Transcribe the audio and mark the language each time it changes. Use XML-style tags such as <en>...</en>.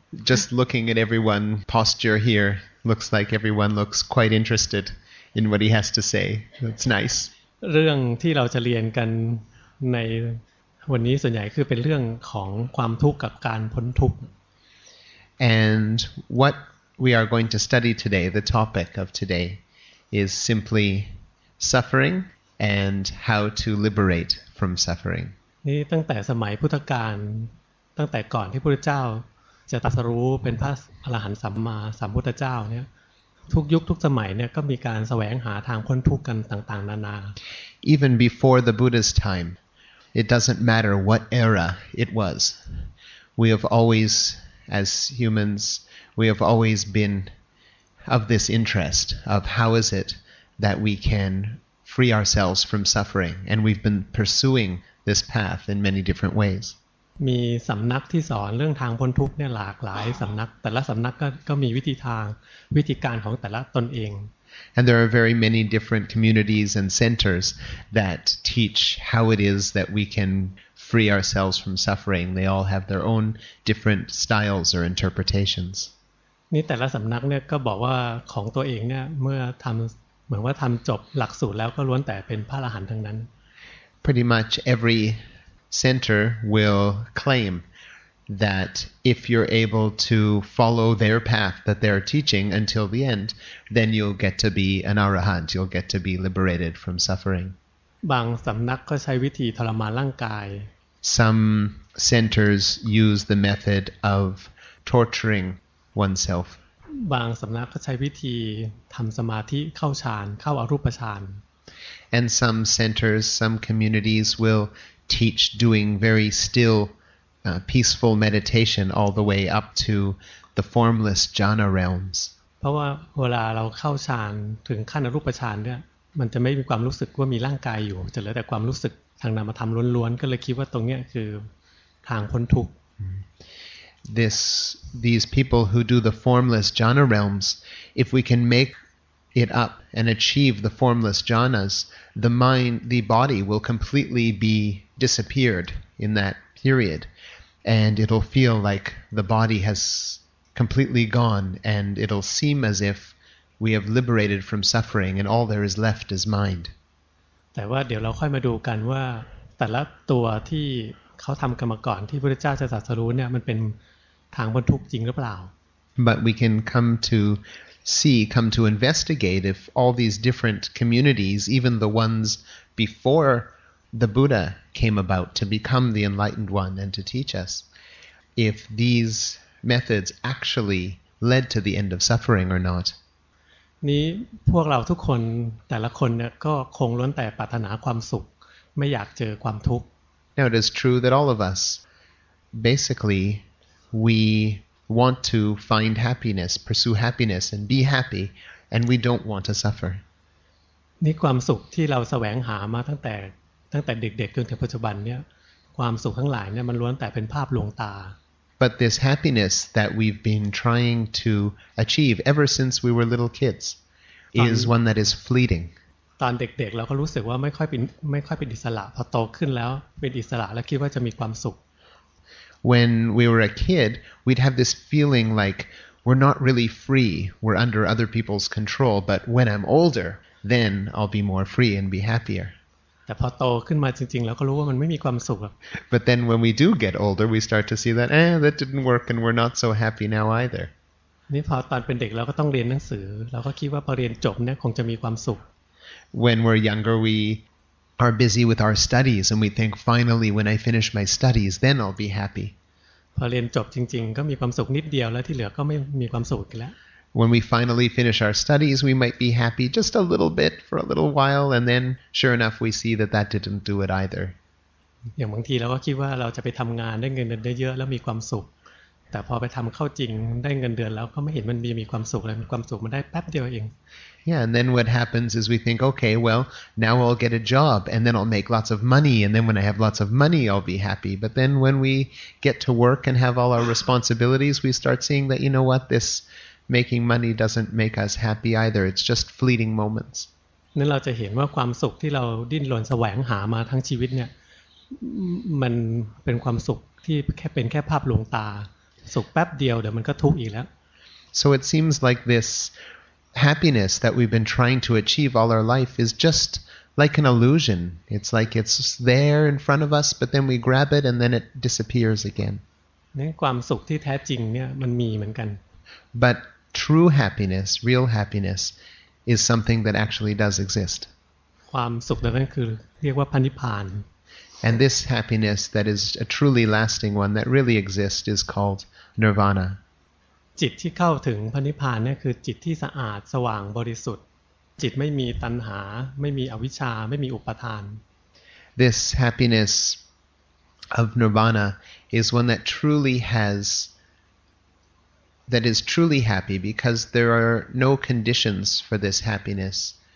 <en>Just looking at everyone's posture here looks like everyone looks quite interested in what he has to say. That's nice.</en> <th>เรื่องที่เราจะเรียนกันในวันนี้ส่วนใหญ่คือเป็นเรื่องของความทุกข์กับการพ้นทุกข์</th> <en>And what we are going to study today, the topic of today, is simply sufferingand how to liberate from suffering</en> <th>นี่ตั้งแต่สมัยพุทธกาลตั้งแต่ก่อนที่พระพุทธเจ้าจะตรัสรู้เป็นพระอรหันต์สัมมาสัมพุทธเจ้าเนี่ยทุกยุคทุกสมัยเนี่ยก็มีการแสวงหาทางพ้นทุกข์กันต่างๆนานา</th> <en>Even before the Buddha's time it doesn't matter what era it was we have always as humans we have always been of this interest of how is it that we canfree ourselves from suffering and we've been pursuing this path in many different ways</en> <th>มีสำนักที่สอนเรื่องทางพ้นทุกข์เนี่ยหลากหลายสำนักแต่ละสำนักก็มีวิธีทางวิธีการของแต่ละตนเอง</th> <en>and there are very many different communities and centers that teach how it is that we can free ourselves from suffering they all have their own different styles or interpretations</en> <th>นี่แต่ละสำนักเนี่ยก็บอกว่าของตัวเองเนี่ยเมื่อทําเหมือนว่าทำจบหลักสูตรแล้วก็ล้วนแต่เป็นพระอรหันต์ทั้งนั้น</th> <en>Pretty much every center will claim that if you're able to follow their path that they're teaching until the end then you'll get to be an arahant you'll get to be liberated from suffering</en> <th>บางสำนักก็ใช้วิธีทรมานร่างกาย</th> <en>Some centers use the method of torturing oneself</en> <th>บางสำนักก็ใช้วิธีทำสมาธิเข้าฌานเข้าอรูปฌาน</th> <en>And some centers, some communities will teach doing very still, peaceful meditation all the way up to the formless jhana realms.</en> <th>เพราะว่าเวลาเราเข้าฌานถึงขั้นอรูปฌานเนี่ยมันจะไม่มีความรู้สึกว่ามีร่างกายอยู่จะเหลือแต่ความรู้สึกทางนามธรรมล้วนๆก็เลยคิดว่าตรงเนี้ยคือทางพ้นทุกข์</th> <en>These people who do the formless jhana realms, if we can make it up and achieve the formless jhanas, the mind, the body will completely be disappeared in that period. And it'll feel like the body has completely gone and it'll seem as if we have liberated from suffering and all there is left is mind.</en> <th>แต่ว่าเดี๋ยวเราค่อยมาดูกันว่าแต่ละตัวที่เขาทำกันมาก่อนที่พระพุทธเจ้าจะตรัสรู้เนี่ยมันเป็นทางพ้นทุกข์จริงหรือเปล่า</th> <en>But we can come to see, come to investigate if all these different communities, even the ones before the Buddha came about to become the enlightened one and to teach us, if these methods actually led to the end of suffering or not.</en> <th>นี้พวกเราทุกคนแต่ละคนเนี่ยก็คงล้วนแต่ปรารถนาความสุขไม่อยากเจอความทุกข์</th> <en>Now it is true that all of us, basically, we want to find happiness, pursue happiness, and be happy, and we don't want to suffer.</en> <th>นี่ความสุขที่เราแสวงหามาตั้งแต่เด็กๆจนถึงปัจจุบันเนี่ยความสุขทั้งหลายเนี่ยมันล้วนแต่เป็นภาพลวงตา</th> <en>But this happiness that we've been trying to achieve ever since we were little kids is one that is fleeting.</en> <th>ตอนเด็กๆเราก็รู้สึกว่าไม่ค่อยเป็นอิสระพอโตขึ้นแล้วเป็นอิสระแล้วคิดว่าจะมีความสุข</th> <en>When we were a kid we'd have this feeling like we're not really free we're under other people's control but when I'm older then I'll be more free and be happier</en> <th>แต่พอโตขึ้นมาจริงๆแล้วก็รู้ว่ามันไม่มีความสุข</th> <en>But then when we do get older we start to see that that didn't work and we're not so happy now either</en> <th>นี่พอตอนเป็นเด็กเราก็ต้องเรียนหนังสือเราก็คิดว่าพอเรียนจบเนี่ยคงจะมีความสุข</th> <en>When we're younger, we are busy with our studies, and we think, finally, when I finish my studies, then I'll be happy.</en> <th>พอเรียนจบจริงๆก็มีความสุขนิดเดียวแล้วที่เหลือก็ไม่มีความสุขอีกแล้ว</th> <en>When we finally finish our studies, we might be happy just a little bit for a little while, and then, sure enough, we see that didn't do it either.</en> <th>อย่างบางทีเราก็คิดว่าเราจะไปทำงานได้เงินเดือนเยอะแล้วมีความสุขแต่พอไปทำเข้าจริงได้เงินเดือนแล้วก็ไม่เห็นมันมีความสุขเลยมีความสุขมันได้แป๊บเดียวเอง</th> <en>Yeah, and then what happens is we think, okay, well, now I'll get a job, and then I'll make lots of money, and then when I have lots of money, I'll be happy. But then when we get to work and have all our responsibilities, we start seeing that, you know what, this making money doesn't make us happy either. It's just fleeting moments.</en> <th>นั้นเราจะเห็นว่าความสุขที่เราดิ้นรนแสวงหามาทั้งชีวิตเนี่ยมันเป็นความสุขที่แค่เป็นแค่ภาพหลวงตาสุขแป๊บเดียวเดี๋ยวมันก็ทุกข์อีกแล้ว</th> <en>So it seems like this happiness that we've been trying to achieve all our life is just like an illusion. It's like it's there in front of us, but then we grab it and then it disappears again.</en> <th>นี่ความสุขที่แท้จริงเนี่ยมันมีเหมือนกัน</th> <en>But true happiness, real happiness is something that actually does exist.</en> <th>ความสุขนั้นคือเรียกว่าพระนิพพาน</th> <en>And this happiness that is a truly lasting one that really exists is called nirvana.</en> <th>จิตที่เข้าถึงพระนิพพานเนี่ยคือจิตที่สะอาดสว่างบริสุทธิ์จิตไม่มีตัณหาไม่มีอวิชชาไม่มีอุปทาน</th> <en>This happiness of nirvana is one that truly has that is truly happy because there are no conditions for this happiness.</en>